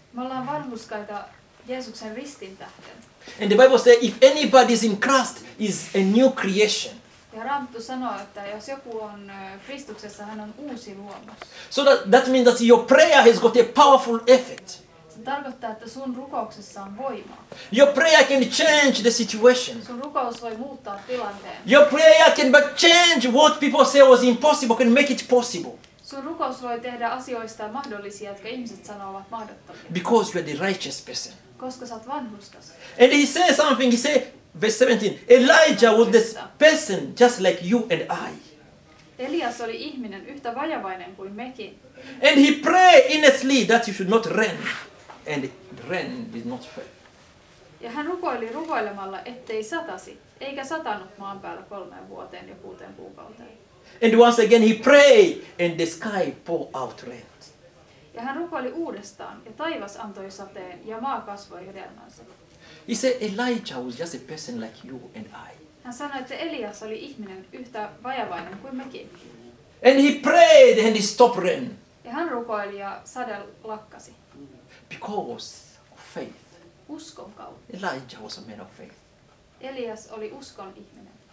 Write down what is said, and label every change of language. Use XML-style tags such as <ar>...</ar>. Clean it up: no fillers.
<fi>Me ollaan vanhurskaita Jeesuksen ristin tähden.</fi> <en>And the Bible says if anybody is in Christ is a new creation.</en> <fi>Ja Raamattu sanoo, että jos joku on Kristuksessa, hän on uusi luomus.</fi> <en>So that means that your prayer has got a powerful effect.</en> <fi>Se tarkoittaa, että sun rukouksessa on voimaa.</fi> <en>Your prayer can change the situation.</en> <fi>Sun rukous voi muuttaa tilanteen.</fi> <en>Your prayer can but change what people say was impossible, can make it possible.</en> <fi>Sun rukous voi tehdä asioista mahdollisia, jotka ihmiset sanoo ovat mahdottomia.</fi> <en>Because you are the righteous person.</en> <fi>Koska sä oot vanhurskas.</fi> <en>And he says something, he says, verse 17, Elijah was this person just like you and I.</en> <fi>Elias oli ihminen yhtä vajavainen kuin mekin.</fi> <en>And he prayed in his sleep that he should not rend. And rend did not fail.</en> <fi>Ja hän rukoili rukoilemalla, ettei satasi, eikä satanut maan päällä 3 vuoteen ja 6 kuukauteen.</fi> <en>And once again he prayed and the sky poured out rain.</en> <fi>Ja hän rukoili uudestaan ja taivas antoi sateen ja maa kasvoi hedelmänsä.</fi> <en>He said Elijah was just a person like you and I.</en> <fi>Hän sanoi, että Elias oli ihminen yhtä vajavainen kuin mekin.</fi> <en>And he prayed and he stopped rain.</en> <fi>Ja hän rukoili ja sade lakkasi.</fi> <en>Because of faith.</en> <fi>Uskon kautta.</fi> <en>Elijah was a man of faith.</en> <fi>Elias oli uskon ihminen.</fi>